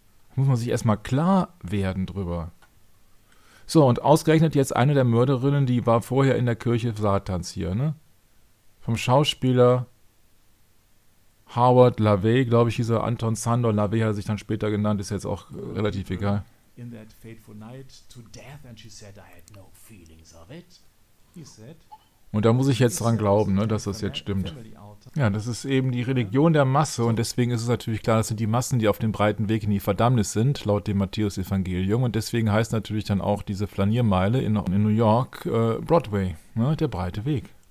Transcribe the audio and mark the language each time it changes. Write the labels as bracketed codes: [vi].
[de] Da muss man sich erstmal klar werden drüber. So, und ausgerechnet jetzt eine der Mörderinnen, die war vorher in der Kirche Satans hier, ne? Vom Schauspieler Howard LaVey, glaube ich, hieß er, Anton Sandor LaVey hat er sich dann später genannt, ist jetzt auch relativ egal. [en] In that fateful night to death, and she said, I had no feelings of it. He said, [de] und da muss ich jetzt dran glauben, ne, dass das jetzt stimmt. Ja, das ist eben die Religion der Masse und deswegen ist es natürlich klar, das sind die Massen, die auf dem breiten Weg in die Verdammnis sind, laut dem Matthäus-Evangelium. Und deswegen heißt natürlich dann auch diese Flaniermeile in New York Broadway, ne, der breite Weg.